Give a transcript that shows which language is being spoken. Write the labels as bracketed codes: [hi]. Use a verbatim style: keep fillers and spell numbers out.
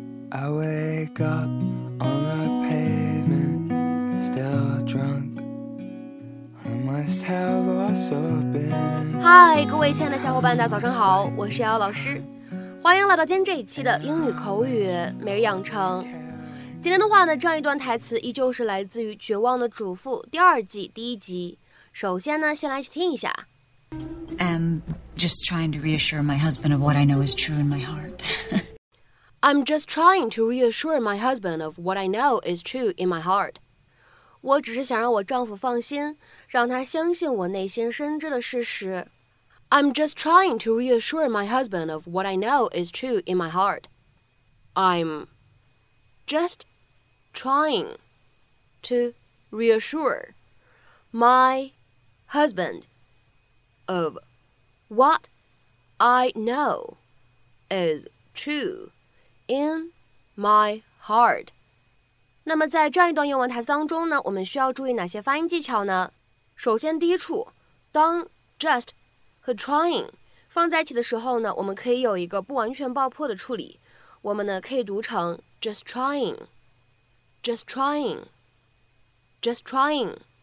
[en] I wake up on the pavement, still drunk. I must have lost open. [zh] 嗨，各位亲爱的小伙伴，大家早上好，我是姚老师，欢迎来到今天这一期的英语口语每日养成。今天的话呢，这样一段台词依旧是来自于《绝望的主妇》第二季第一集。首先呢，先来听一下。 [en] I'm just trying to reassure my husband of what I know is true in my heart. I'm just trying to reassure my husband of what I know is true in my heart. [zh] 我只是想让我丈夫放心，让他相信我内心深知的事实。 [en] I'm just trying to reassure my husband of what I know is true in my heart. I'm just trying to reassure my husband of what I know is true. In my heart. [zh] 那么在这样一段英文台词当中呢，我们需要注意哪些发音技巧呢？首先第一处，当 just 和 trying 放在一起的时候呢，我们可以有一个不完全爆破的处理，我们呢可以读成 just trying, just trying, just trying.